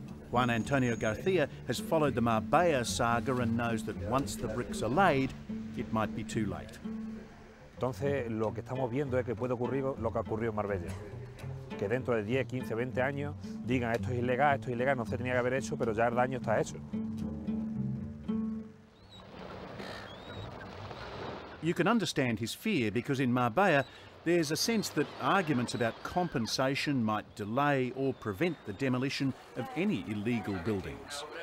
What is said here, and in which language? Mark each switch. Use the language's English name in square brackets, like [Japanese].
[English] Juan Antonio Garcia has followed the Marbella saga and knows that once the bricks are laid, it might be too late. [Spanish] Entonces, lo que estamos viendo es que puede ocurrir lo que ha ocurrido en Marbella. Que dentro de 10, 15, 20 años digan esto es ilegal, no se tenía que haber hecho, pero ya el daño está hecho. [English] You can understand his fear because in Marbella, there's a sense that arguments about compensation might delay or prevent the demolition of any illegal buildings.